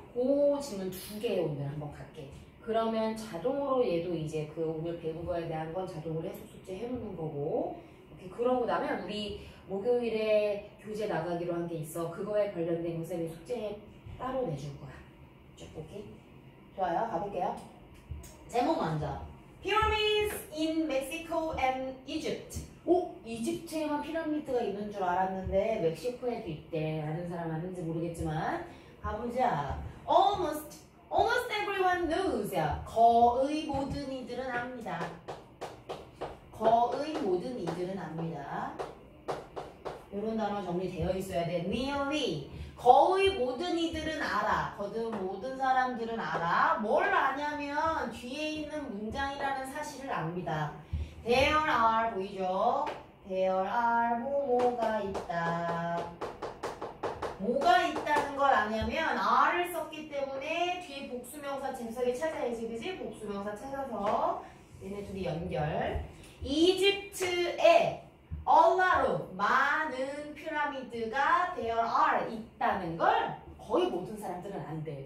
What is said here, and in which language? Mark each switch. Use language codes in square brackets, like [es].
[ko] 고 지문 두개 오늘 한번 갈게. 그러면 자동으로 얘도 이제 그 오늘 배운 거에 대한 건 자동으로 해석 숙제 해놓는 거고. 이렇게 그러고 나면 우리 목요일에 교재 나가기로 한게 있어. 그거에 관련된 요새는 숙제 따로 내줄 거야. 쭉 볼게. 좋아요. 가볼게요. 제목 먼저. [en] Pyramids in Mexico and Egypt. [ko] 오, 이집트에만 피라미드가 있는 줄 알았는데 멕시코에도 있대. 아는 사람 아는지 모르겠지만 가보자. [en] Almost everyone knows. [ko] 거의 모든 이들은 압니다. 거의 모든 이들은 압니다. 이런 단어 정리되어 있어야 돼. [en] Nearly. [ko] 거의 모든 이들은 알아. 거든 모든 사람들은 알아. 뭘 아냐면 뒤에 있는 문장이라는 사실을 압니다. [en] There are, [ko] 보이죠? [en] There are [ko] 뭐뭐가 있다. 뭐가 있다는 걸 아냐면 are을 썼기 때문에 뒤에 복수명사 재석이 찾아야지, 그지? 복수명사 찾아서 얘네 둘이 연결. 이집트에 얼라로 많은 피라미드가 [en] there are [ko] 있다는 걸 거의 모든 사람들은 안대.